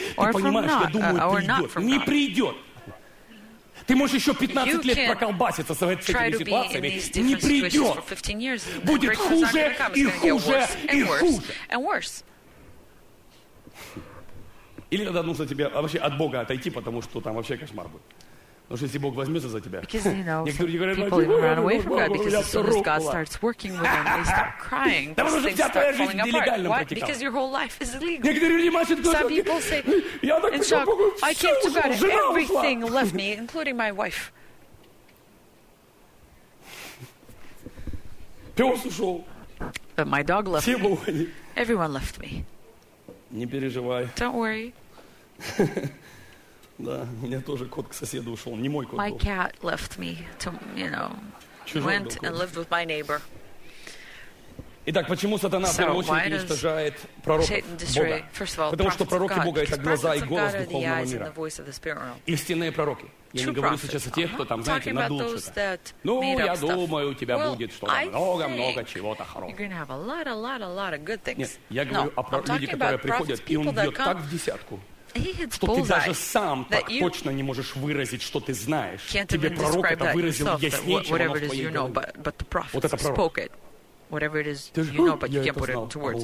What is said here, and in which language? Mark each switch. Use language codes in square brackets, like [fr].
[ru] Ты понимаешь, я думаю, придет. Не придет. Ты можешь еще 15 лет проколбаситься с этими ситуациями, не придет. Будет хуже и хуже и хуже. Или тогда нужно тебе вообще от Бога отойти, потому что там вообще кошмар будет. Потому что если Бог возьмется за тебя, некоторые говорят, что [en] people run away from God because as soon as God starts working with them, they start crying. [ru] Да потому что вся твоя жизнь нелегально протекала. [en] Because your whole life is illegal. [ru] Некоторые люди машут глазами. [en] Some people say, in shock, I came to God, everything left me, including my wife. [ru] Пес ушел. [en] But my dog left me. Everyone left me. [ru] Не переживай. [en] Don't worry. [ru] Да, у меня тоже кот к соседу ушел, не мой кот. [en] My cat left me to, you know, went and lived with my neighbor. [ru] Итак, почему сатана в первую очередь уничтожает пророков Бога? Потому что пророки Бога — это глаза и голос духовного мира. Истинные пророки. Я не говорю сейчас о тех, кто там, знаете, надул что-то. Ну, я думаю, у тебя будет что-то много-много чего-то хорошего. Нет, я говорю о людях, которые приходят, и он бьет так в десятку. что ты даже сам так точно не можешь выразить, что ты знаешь. Тебе пророк это выразил яснее, чем оно в твоей голове. Вот это пророк. [en] Whatever it is you know, but you can't put it into words.